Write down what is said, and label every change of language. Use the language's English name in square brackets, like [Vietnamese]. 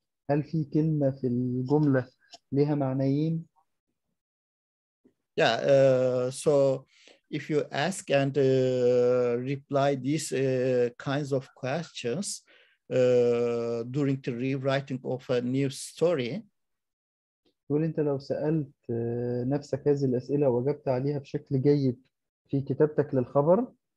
[Arabic] هل في كلمة في الجملة لها معنيين؟ [English] Yeah, so if you ask and reply these kinds of questions during the rewriting of a new story, [Arabic] تقول انت لو سألت نفسك هذه الأسئلة وأجبت عليها بشكل جيد في كتابتك للخبر.